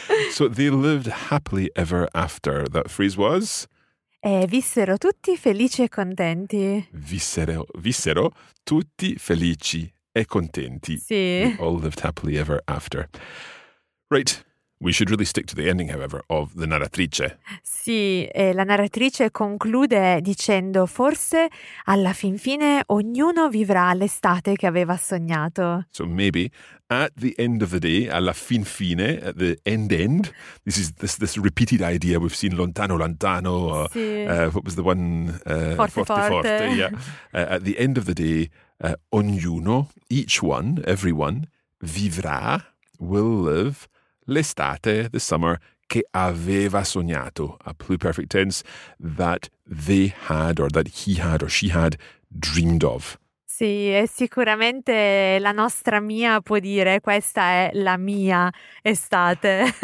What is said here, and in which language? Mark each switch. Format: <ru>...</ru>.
<en>So they lived happily ever after. That phrase was?</en> <it>Vissero tutti felici e contenti. Vissero tutti felici e contenti. Sì.</it> <en>They all lived happily ever after. Right. We should really stick to the ending, however, of the narratrice.</en> <it>Sì, la narratrice conclude dicendo forse alla fin fine ognuno vivrà l'estate che aveva sognato.</it> <en>So maybe at the end of the day,</en> <it>alla fin fine,</it> <en>at the end, this is this repeated idea we've seen lontano, or,</en> <it>sì.</it> <en>What was the one?</en> <it>Forte.</it> <en>Yeah. At the end of the day, ognuno, each one, everyone, vivrà, will live, l'estate, the summer,</en> <it>che aveva sognato,</it> <en>a pluperfect tense, that they had or that he had or she had dreamed of.</en> <it>Sì, e sicuramente la nostra mia può dire questa è la mia estate.</it>